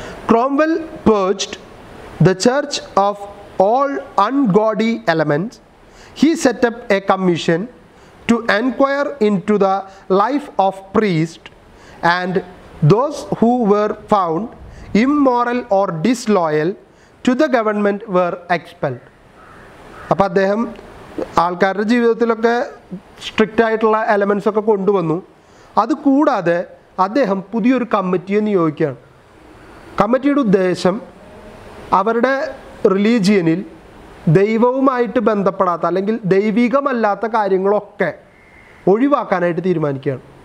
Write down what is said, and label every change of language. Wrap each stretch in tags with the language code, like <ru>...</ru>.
<en>Cromwell purged the church of all ungodly elements. He set up a commission to enquire into the life of priest and those who were found immoral or disloyal to the government were expelled.</en> <ml>അപ്പോൾ അദ്ദേഹം ആൾക്കാരുടെ ജീവിതത്തിലൊക്കെ strict ആയിട്ടുള്ള elements ഒക്കെ കൊണ്ടുവന്നു. അതുകൂടാതെ അദ്ദേഹം പുതിയൊരു കമ്മിറ്റിയെ നിയോഗിക്കുകയാണ്. കമ്മിറ്റിയുടെ ഉദ്ദേശം അവരുടെ റിലീജിയനിൽ ദൈവവുമായിട്ട് ബന്ധപ്പെടാത്ത അല്ലെങ്കിൽ ദൈവികമല്ലാത്ത കാര്യങ്ങളൊക്കെ ഒഴിവാക്കാനായിട്ട് തീരുമാനിക്കുകയാണ്.</ml>